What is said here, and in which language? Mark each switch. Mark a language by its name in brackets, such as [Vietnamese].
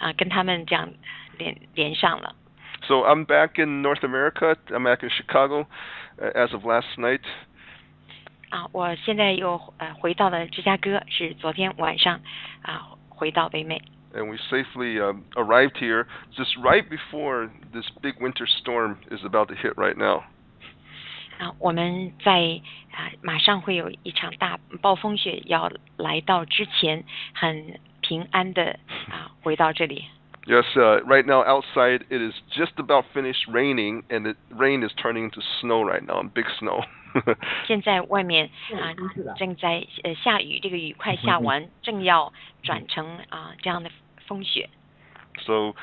[Chinese] 虽然如此，我后来还是跟主任牧师还有跟你姐妹，我们还是有一段很好的祷告的时间。那当时我就只能跟他们这样连上了。So [English] I'm back in North America. I'm back in Chicago, as of last night. [Chinese] 我现在又回到了芝加哥，是昨天晚上回到北美。And [English] we safely arrived here just right before this big winter storm is about to hit right now. [Chinese] 我们在马上会有一场大暴风雪要来到之前，很平安的回到这里。Yes, [English] right now outside it is just about finished raining, and the rain is turning into snow right now, big snow. [Chinese] 现在外面正在下雨，这个雨快下完，正要转成这样的风雪。So